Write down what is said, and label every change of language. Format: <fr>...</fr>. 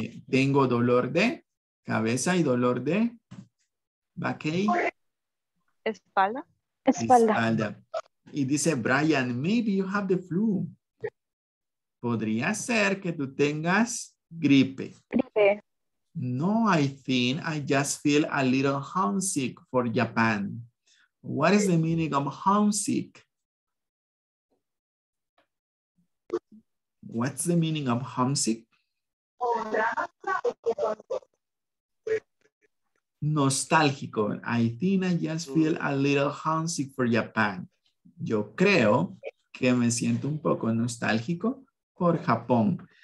<es>Tengo dolor de cabeza y dolor de backache. Espalda. Espalda. Y dice,</es> <en>Brian, maybe you have the flu.</en> <es>Podría ser que tú tengas gripe. Gripe.</es> <en>No, I think I just feel a little homesick for Japan. What is the meaning of homesick? What's the meaning of homesick?</en> <es>Nostálgico.</es> <en>I think I just feel a little homesick for Japan.</en> <es>Yo creo que me siento un poco nostálgico por Japón.</es>